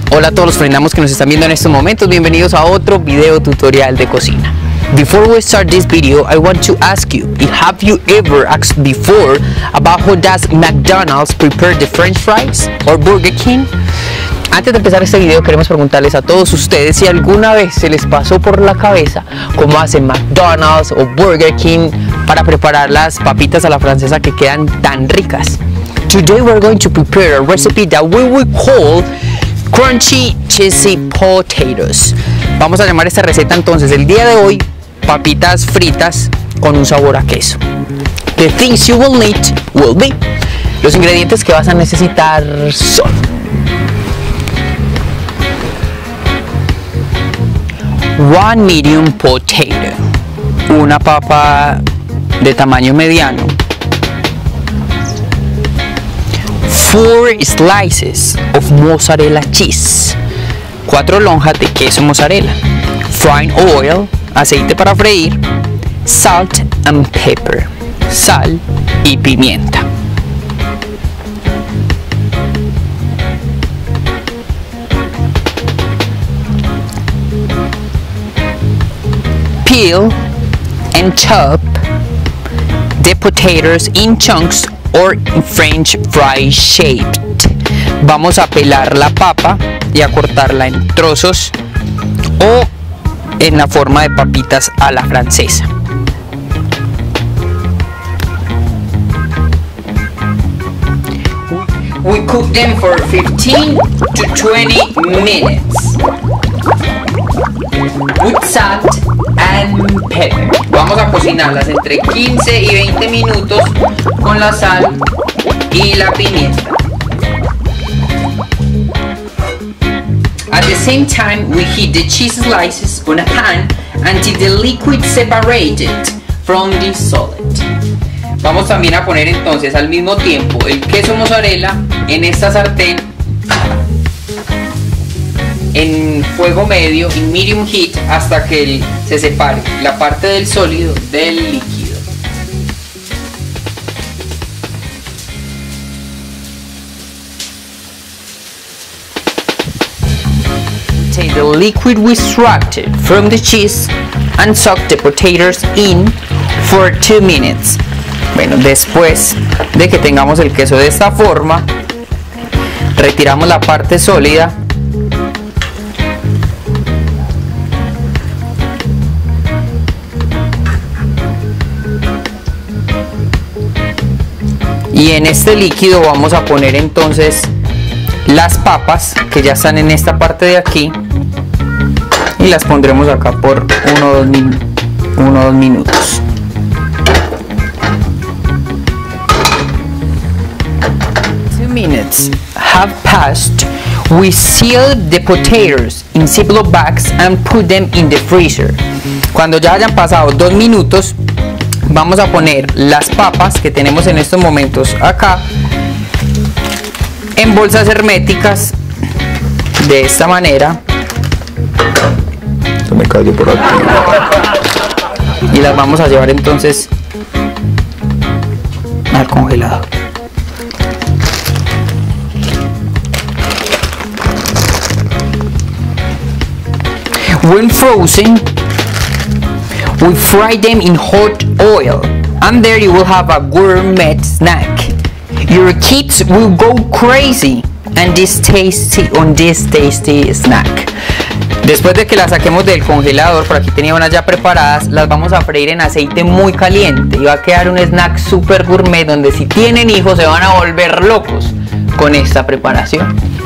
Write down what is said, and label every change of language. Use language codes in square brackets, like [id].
[es] Hola a todos los Friend Diamonds que nos están viendo en estos momentos, bienvenidos a otro video tutorial de cocina. [en] Before we start this video, I want to ask you, have you ever asked before about how does McDonald's prepare the French fries or Burger King? [es] Antes de empezar este video, queremos preguntarles a todos ustedes si alguna vez se les pasó por la cabeza cómo hacen McDonald's o Burger King para preparar las papitas a la francesa que quedan tan ricas. [en] Today we're going to prepare a recipe that we will call Crunchy Cheesy Potatoes. [es] Vamos a llamar esta receta entonces el día de hoy papitas fritas con un sabor a queso. [en] The things you will need will be. [es] Los ingredientes que vas a necesitar son [en] one medium potato, [es] una papa de tamaño mediano, [en] four slices of mozzarella cheese, [es] cuatro lonjas de queso mozzarella, [en] fine oil, [es] aceite para freír, [en] salt and pepper, [es] sal y pimienta. [en] Peel and chop the potatoes in chunks or French fry shaped. [es] Vamos a pelar la papa y a cortarla en trozos o en la forma de papitas a la francesa. [en] We cook them for 15 to 20 minutes with salt and pepper. [es] Vamos a cocinarlas entre 15 y 20 minutos con la sal y la pimienta. [en] At the same time, we heat the cheese slices on a pan until the liquid separated from the solid. [es] Vamos también a poner entonces al mismo tiempo el queso mozzarella en esta sartén en fuego medio, en [en] medium heat, [es] hasta que se separe la parte del sólido del líquido. [en] Take the liquid we extracted from the cheese and soak the potatoes in for 2 minutes. [es] Bueno, después de que tengamos el queso de esta forma, retiramos la parte sólida y en este líquido vamos a poner entonces las papas que ya están en esta parte de aquí y las pondremos acá por uno o dos minutos. [en] Minutes have passed. We seal the potatoes in Ziploc bags and put them in the freezer. [es] Cuando ya hayan pasado 2 minutos, vamos a poner las papas que tenemos en estos momentos acá en bolsas herméticas de esta manera. Se me cayó por aquí. Y las vamos a llevar entonces al congelador. [en] When frozen, we fry them in hot oil, and there you will have a gourmet snack. Your kids will go crazy and this tasty snack. [es] Después de que las saquemos del congelador, por aquí tenía unas ya preparadas, las vamos a freír en aceite muy caliente y va a quedar un snack super gourmet donde si tienen hijos se van a volver locos con esta preparación.